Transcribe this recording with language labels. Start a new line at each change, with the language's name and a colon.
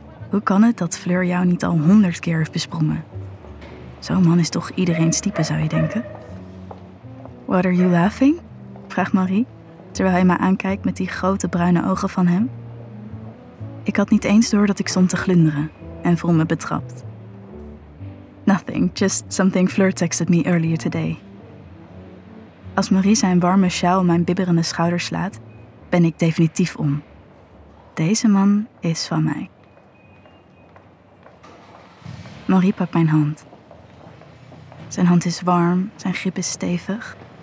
Dutch: Hoe kan het dat Fleur jou niet al 100 keer heeft besprongen? Zo'n man is toch iedereen's type, zou je denken?
English: What are you laughing?
Dutch: Vraagt Marie, terwijl hij me aankijkt met die grote bruine ogen van hem. Ik had niet eens door dat ik stond te glunderen en voel me betrapt.
English: Nothing, just something Fleur texted me earlier today.
Dutch: Als Marie zijn warme sjaal mijn bibberende schouders slaat, ben ik definitief om. Deze man is van mij. Marie pakt mijn hand. Zijn hand is warm, zijn grip is stevig.